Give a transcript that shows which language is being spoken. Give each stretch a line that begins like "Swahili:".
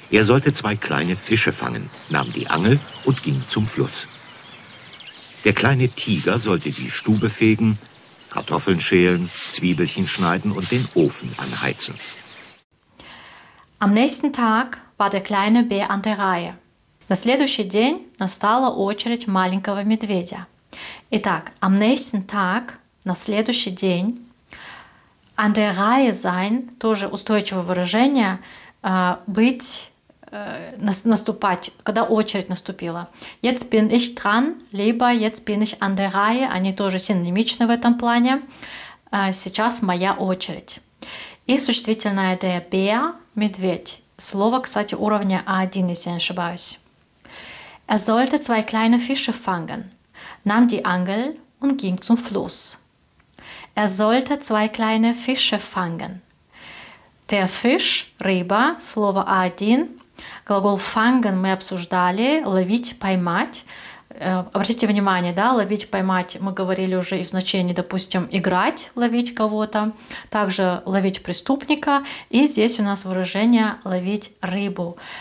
German: Sollte zwei kleine Fische fangen, nahm die Angel und ging zum Fluss. Der kleine Tiger sollte die Stube fegen, Kartoffeln schälen, Zwiebelchen schneiden und den Ofen anheizen. Am nächsten Tag war der kleine Bär an der Reihe.
Russian: На следующий день настала очередь маленького медведя. Итак,
German: am nächsten Tag,
Russian: на следующий день,
German: an der Reihe sein,
Russian: тоже устойчивое выражение, наступать, когда очередь наступила.
German: Jetzt bin ich dran,
Russian: либо
German: jetzt bin ich an der Reihe,
Russian: они тоже синонимичны в этом плане. Сейчас моя очередь. И существительное der Bär, медведь. Слово, кстати, уровня А1, если я не ошибаюсь.
German: Sollte zwei kleine Fische fangen, nahm die Angel und ging zum Fluss. Sollte zwei kleine Fische fangen.
Russian: Der Fisch, рыба, слово А1. Глагол fangen мы обсуждали, ловить, поймать. Обратите внимание, да, ловить, поймать, мы говорили уже и в значении, допустим, играть, ловить кого-то, также ловить преступника, и здесь у нас выражение ловить рыбу.